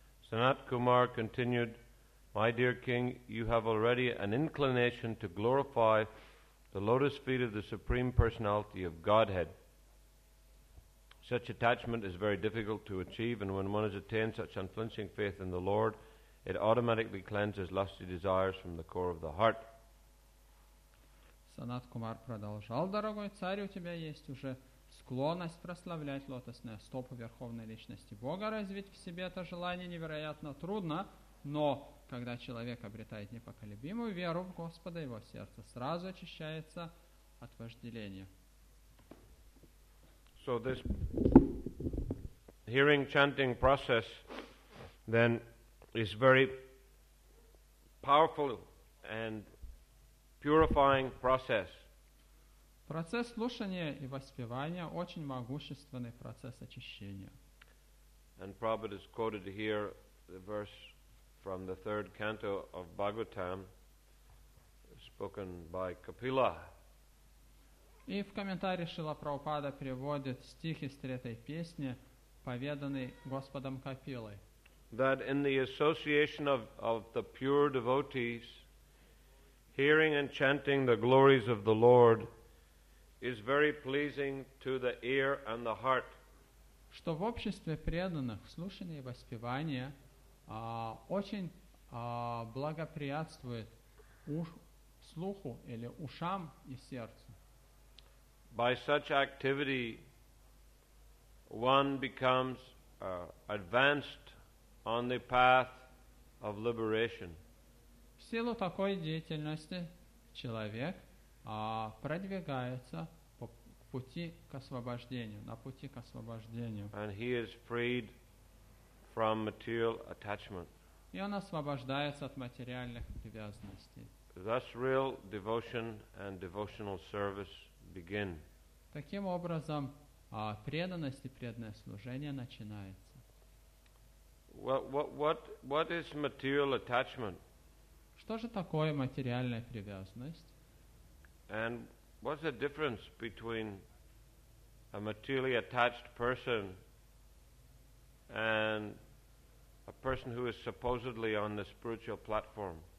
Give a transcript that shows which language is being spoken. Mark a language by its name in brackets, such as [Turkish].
[English] Sanat Kumar continued, "My dear king, you have already an inclination to glorify the lotus feet of the Supreme Personality of Godhead. Such attachment is very difficult to achieve, and when one has attained such unflinching faith in the Lord, it automatically cleanses lusty desires from the core of the heart." [Russian] Санат Кумар продолжал, дорогой царь, у тебя есть уже склонность прославлять лотосные стопы Верховной Личности Бога. Развить в себе это желание невероятно трудно, но когда человек обретает непоколебимую веру в Господа, его сердце сразу очищается от вожделения. [English] So this hearing chanting process then is very powerful and purifying process. [Russian] Процесс слушания и воспевания очень могущественный процесс очищения. [English] And Prabhupada is quoted here the verse from the third canto of Bhagavatam, spoken by Kapila. [Russian] И в комментарии Шрила Прабхупада приводит стих из третьей песни, поведанный Господом Капилой. [English] That in the association of the pure devotees, hearing and chanting the glories of the Lord is very pleasing to the ear and the heart. [Russian] Что в обществе преданных слушание и воспевание очень благоприятствует слуху или ушам и сердцу. [English] By such activity, one becomes advanced on the path of liberation. [Russian] В силу такой деятельности человек продвигается по пути к освобождению, на пути к освобождению. [English] And he is freed from material attachment. [Russian] И он освобождается от материальных привязанностей. [English] Thus real devotion and devotional service begin. [Russian] Таким образом, преданность и преданное служение начинается. [English] What is material attachment? [Russian] Что же такое материальная привязанность? [English] And what's the difference between a materially attached person and a person who is supposedly on the spiritual platform?